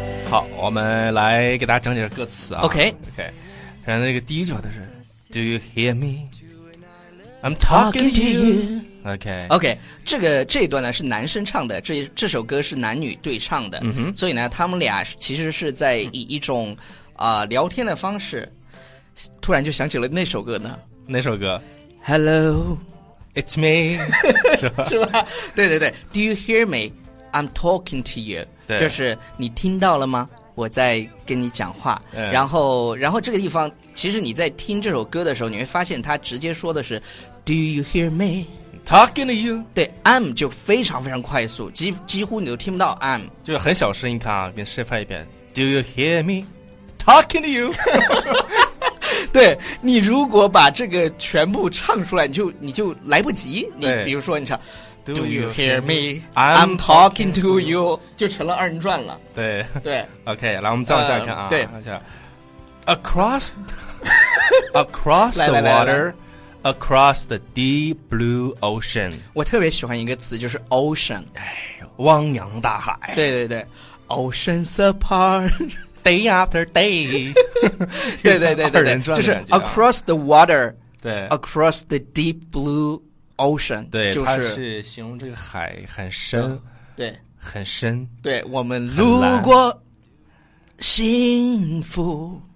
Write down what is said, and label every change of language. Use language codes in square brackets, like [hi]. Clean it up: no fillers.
[zh] 好，我们来给大家讲解歌词啊。 [en] OK [zh] OK， 然后那个第一句的是 Do you hear me? [en] I'm talking to you。 OK [zh] OK， 这一段呢是男生唱的，这首歌是男女对唱的，所以呢他们俩其实是在以一种聊天的方式，突然就想起了那首歌呢。哪首歌 [en] ？Hello, it's me，是吧？对对对，Do you hear me? I'm talking to you。 [zh] 对，就是你听到了吗？我在跟你讲话。然后这个地方，其实你在听这首歌的时候，你会发现他直接说的是 Do you hear me? [en] Talking to you， [zh] 对 ，I'm 就非常非常快速，几乎你都听不到 I'm，就是很小声。你看啊，给你示范一遍 ， Do you hear me talking to you？对，你如果把这个全部唱出来，你就来不及。你比如说，你唱 ， Do you hear me？ I'm talking to you，就成了二人转了。对对，OK， 来我们再往下看啊，对， [en] 往下，Across the water。 Across the deep blue ocean， [zh] 我特别喜欢一个词，就是 ocean，汪洋大海。 [en] 对对对，oceans apart， day after day， [zh] 对对对对对，就是 across the water，对 [en] ，across the deep blue ocean， [zh] 对，就是、它是形容这个海很深，对，很深，对我们路过幸福，